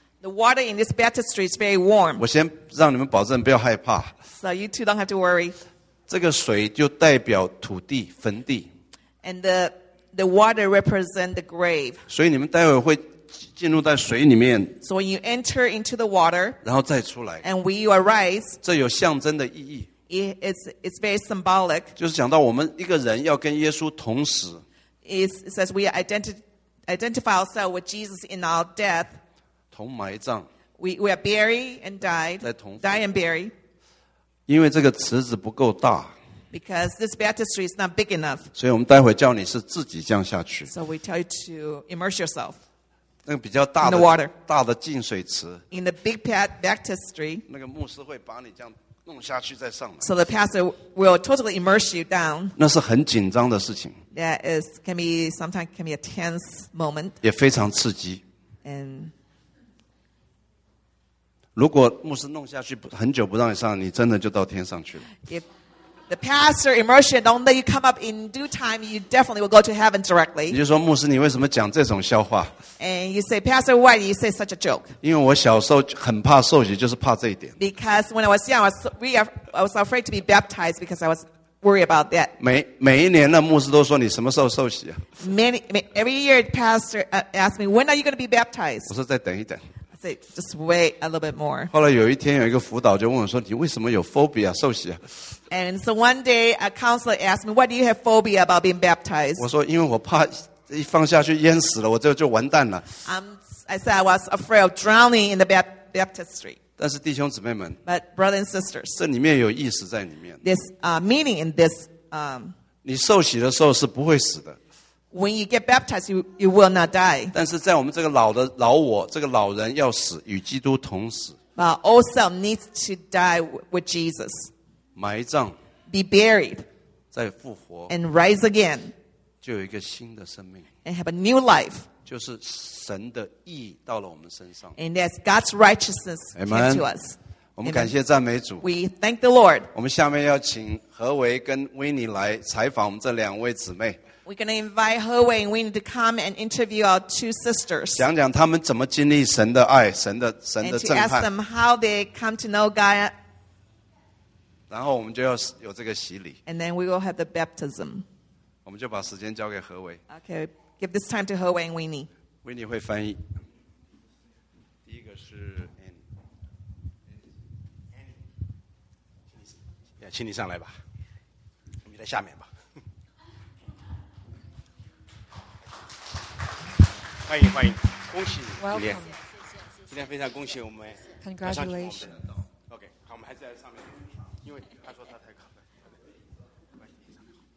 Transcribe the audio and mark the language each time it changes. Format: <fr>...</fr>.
<en>the water in this baptistry is very warm.</en> <zh>我先让你们保证不要害怕,</zh> <en>so you two don't have to worry.</en> <zh>这个水就代表土地, 坟地,</zh> <en>and the water represents the grave.</en> <zh>所以你们待会会进入在水里面,</zh> <en>so when you enter into the water,</en> <zh>然后再出来,</zh> <en>and when you arise,</en> <zh>这有象征的意义,</zh> <en>It's very symbolic.</en> <zh>就是讲到我们一个人要跟耶稣同死,</zh> <en>it says we identify ourselves with Jesus in our death.</en> <zh>同埋葬,</zh> <en>we are buried and died.</en> <zh>在同父,</zh> <en>die and bury.</en> <zh>因为这个池子不够大,</zh> <en>because this baptistry is not big enough.</en> <zh>所以我们待会叫你是自己降下去,</zh> <en>so we tell you to immerse yourself.</en> <zh>那个比较大的,</zh> <en>in the water.</en> <zh>大的净水池,</zh> <en>in the big baptistry.</en> <zh>那个牧师会把你这样,</zh> <en>so the pastor will totally immerse you down.</en> <zh>那是很紧张的事情,</zh> <en>that is, can be, sometimes can be a tense moment.</en> <zh>也非常刺激,</zh> <en>and</en> <zh>如果牧师弄下去很久不让你上, 你真的就到天上去了,</zh> <en>if the pastor immerse you, don't let you come up in due time, you definitely will go to heaven directly.</en> <zh>你就说牧师你为什么讲这种笑话,</zh> <en>and you say, pastor, why do you say such a joke?</en> <zh>因为我小时候很怕受洗, 就是怕这一点,</zh> <en>because when I was young, I was afraid to be baptized because I was worried about that.</en> <zh>每一年的牧师都说你什么时候受洗,</zh> <en>every year the pastor asked me, when are you going to be baptized?</en> <zh>我说再等一等,</zh> <en>I say, just wait a little bit more.</en> <zh>后来有一天有一个辅导就问我说, 你为什么有phobia 受洗,</zh> <en>and so one day a counselor asked me, why do you have phobia about being baptized?</en> <zh>我说因为我怕 一放下去淹死了, 我就完蛋了,</zh> <en>I said I was afraid of drowning in the baptistry.</en> <zh>但是弟兄姊妹们,</zh> <en>but brothers and sisters,</en> <zh>这里面有意思在里面,</zh> <en>this meaning in this,</en> <zh>你受洗的时候是不会死的,</zh> <en>when you get baptized, you will not die.</en> <zh>但是在我们这个老的老我, 这个老人要死, 与基督同死,</zh> <en>but old self needs to die with Jesus.</en> <zh>埋葬,</zh> <en>be buried,</en> <zh>再复活,</zh> <en>and rise again,</en> <zh>就有一个新的生命,</zh> <en>and have a new life.</en> <zh>就是神的义到了我们身上,</zh> <en>and that's God's righteousness. Amen. Came to us.</en> <zh>我们感谢赞美主,</zh> <en>we thank the Lord.</en> <zh>我们下面要请何维跟威尼来采访我们这两位姊妹,</zh> <en>we're going to invite Hewei and Winnie to come and interview our two sisters,</en> <zh>讲讲他们怎么经历神的爱, 神的震撼,</zh> <en>and to ask them how they come to know God.</en> <zh>然后我们就要有这个洗礼,</zh> <en>and then we will have the baptism.</en> <zh>我们就把时间交给何维,</zh> <en>okay, give this time to Hewei and Winnie.</en> <zh>Winnie 会翻译, yeah, 请你上来吧, 你在下面吧, 欢迎欢迎恭喜你今天非常恭喜我们马上去访问的人到 OK 好我们还是在上面因为他说他太可怕了欢迎你上来</zh>